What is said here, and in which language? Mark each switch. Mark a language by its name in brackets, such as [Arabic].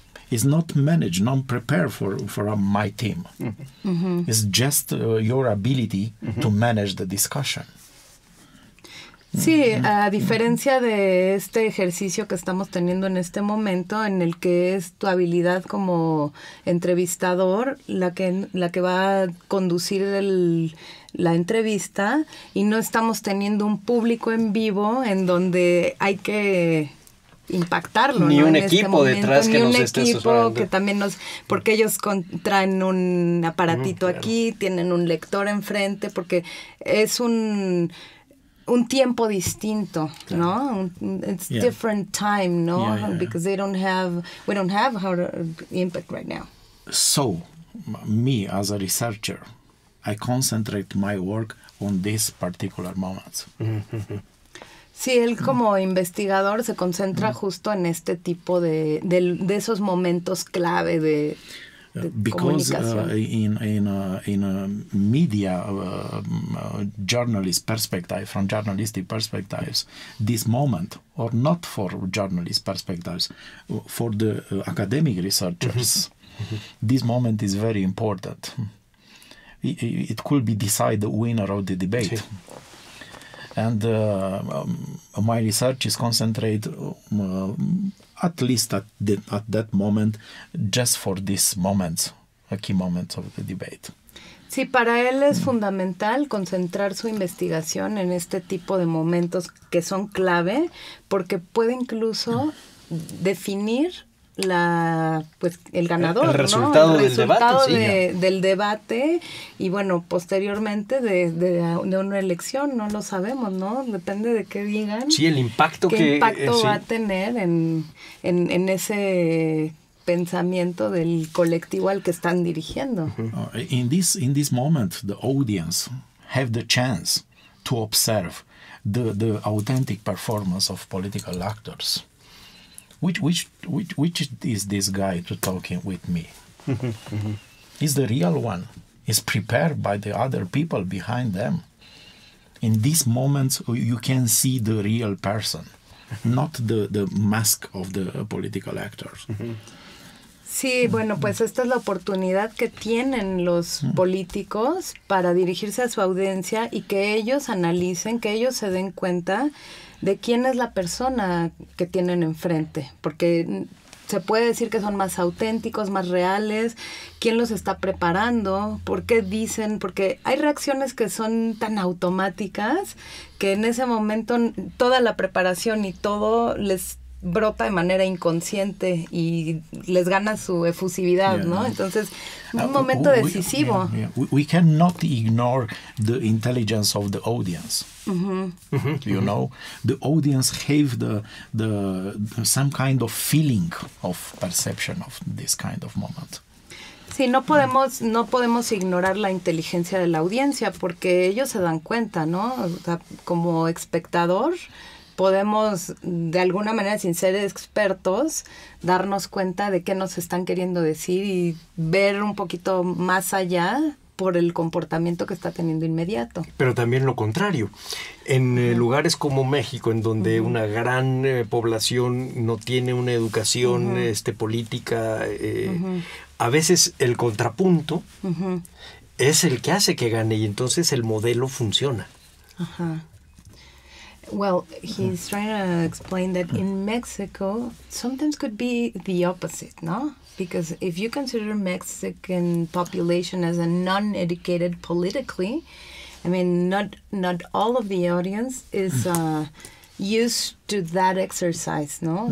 [English] It's not managed, not prepared for my team. It's just your ability to manage the discussion. [Spanish] Sí, a diferencia de este ejercicio que estamos teniendo en este momento, en el que es tu habilidad como entrevistador la que va a conducir la entrevista, y no estamos teniendo un público en vivo en donde hay que impactarlo. Ni ¿no? un en equipo este detrás ni que un nos equipo esté asesorando. Que también nos, porque ellos traen un aparatito aquí, tienen un lector enfrente, porque es un tiempo distinto, claro. [English] ¿No? It's different time, no? Yeah. Because we don't have our impact right now. So, me as a researcher, I concentrate my work on this particular moment. [Spanish] Sí, él como investigador se concentra justo en este tipo de esos momentos clave de [English] because in a media journalist perspective, from journalistic perspectives, this moment, or not for journalist perspectives, for the academic researchers, this moment is very important. it could be decide the winner of the debate. Sí. And my research is concentrated at least at that moment, just for this moment, a key moment of the debate. [Spanish] Sí, para él es fundamental concentrar su investigación en este tipo de momentos que son clave, porque puede incluso definir la, pues, el ganador, el resultado, ¿no? El resultado del debate, del debate, y bueno, posteriormente de una elección, no lo sabemos, ¿no? Depende de qué digan. Sí, el impacto qué impacto va a tener en ese pensamiento del colectivo al que están dirigiendo. [English] In this moment, the audience have the chance to observe the authentic performance of political actors. Which is this guy to talking with me? Is the real one? Is prepared by the other people behind them? In this moment, you can see the real person, not the mask of the political actors. [Spanish] Sí, bueno, pues esta es la oportunidad que tienen los políticos para dirigirse a su audiencia y que ellos analicen, que ellos se den cuenta de quién es la persona que tienen enfrente, porque se puede decir que son más auténticos, más reales, quién los está preparando, por qué dicen, porque hay reacciones que son tan automáticas que en ese momento toda la preparación y todo les brota de manera inconsciente y les gana su efusividad, yeah, ¿no? Entonces, un momento decisivo. [English] We cannot ignore the intelligence of the audience. You know, the audience have the some kind of feeling of perception of this kind of moment. [Spanish] Sí, no podemos ignorar la inteligencia de la audiencia porque ellos se dan cuenta, ¿no? O sea, como espectador podemos, de alguna manera, sin ser expertos, darnos cuenta de qué nos están queriendo decir y ver un poquito más allá por el comportamiento que está teniendo inmediato. Pero también lo contrario. En lugares como México, en donde una gran población no tiene una educación política, a veces el contrapunto es el que hace que gane y entonces el modelo funciona. [English] Well, he's trying to explain that in Mexico, sometimes could be the opposite, no? Because if you consider Mexican population as a non-educated politically, I mean, not all of the audience is used to that exercise, no?